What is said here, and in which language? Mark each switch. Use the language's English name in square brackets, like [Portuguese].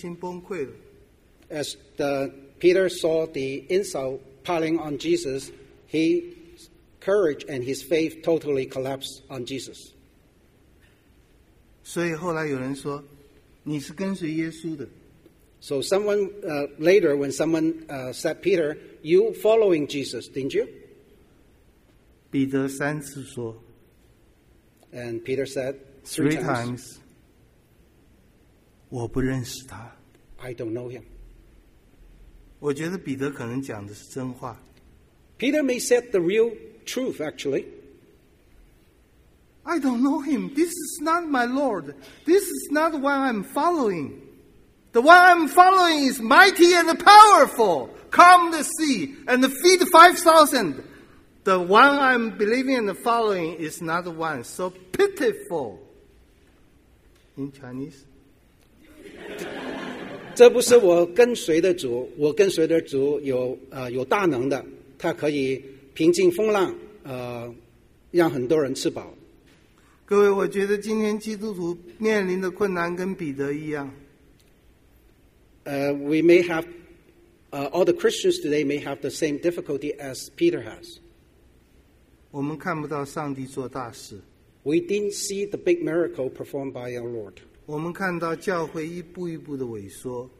[Chinese] 当彼得看到耶稣被羞辱的时候，他信心崩溃了。As [English] Peter saw the insult piling on Jesus, his courage and his faith totally collapsed on Jesus. [Chinese] 所以后来有人说， 你是跟随耶稣的。 [English] So someone later, when someone said, Peter, you following Jesus, didn't you? [Chinese] 彼得三次说, [English] and Peter said three times, [Chinese] 我不认识他。 [English] I don't know him. [Chinese] 我觉得彼得可能讲的是真话。 [English] Peter may say the real truth, actually. I don't know him. This is not my Lord. This is not what I'm following. The one I'm following is mighty and powerful. Calm the sea and feed 5,000. The one I'm believing and following is not the one. So pitiful. In Chinese? [Chinese] 这不是我跟随的主，我跟随的主有大能的，他可以平静风浪，让很多人吃饱。各位，我觉得今天基督徒面临的困难跟彼得一样。 [English] We may have, all the Christians today may have the same difficulty as Peter has. [Chinese] 我们看不到上帝做大事。 [English] We didn't see the big miracle performed by our Lord. [Chinese] 我们看到教会一步一步的萎缩。